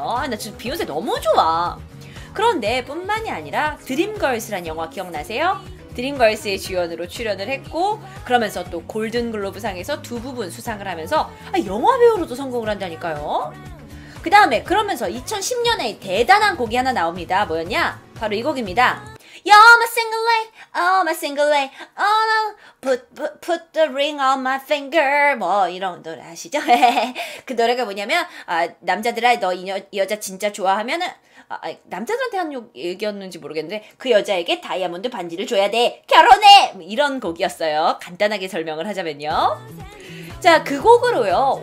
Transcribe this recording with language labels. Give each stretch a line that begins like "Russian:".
Korean: 아, 나 지금 비욘세 너무 좋아. 그런데 뿐만이 아니라 드림걸스란 영화 기억나세요? 드림걸스의 주연으로 출연을 했고 그러면서 또 골든글로브상에서 두 부분 수상을 하면서 영화배우로도 성공을 한다니까요. 그 다음에 그러면서 2010년에 대단한 곡이 하나 나옵니다. 뭐였냐? 바로 이 곡입니다.
English: You're my single lady, oh my single lady, oh no, put the ring on my finger.
Korean: 뭐 이런 노래 아시죠? 그 노래가 뭐냐면 아, 남자들아 너 이 여자 진짜 좋아하면은 남자들한테 한 얘기였는지 모르겠는데 그 여자에게 다이아몬드 반지를 줘야 돼. 결혼해! 이런 곡이었어요. 간단하게 설명을 하자면요. 자, 그 곡으로요.